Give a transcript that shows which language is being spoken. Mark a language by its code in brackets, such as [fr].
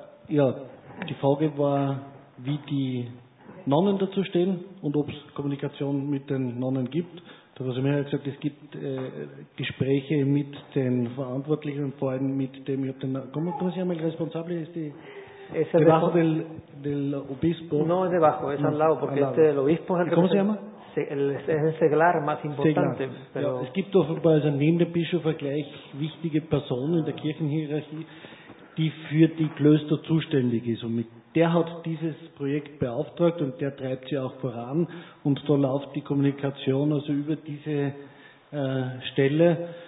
[de] Ja, die Frage war, wie die Nonnen dazu stehen und ob es Kommunikation mit den Nonnen gibt. Da war sie mir gesagt, es gibt Gespräche mit den Verantwortlichen und vor allem mit dem, ich habe den Namen, [es] ¿cómo se llama el responsable? Es debajo del obispo. No, es debajo, es al lado, porque este del obispo es el ¿cómo se llama? Es el seglar más importante. Pero... [de] Ja, es gibt offenbar also neben dem Bischof eine gleich wichtige Person in der Kirchenhierarchie, die für die Klöster zuständig ist. Und mit der hat dieses Projekt beauftragt und der treibt sie auch voran. Und da läuft die Kommunikation also über diese Stelle.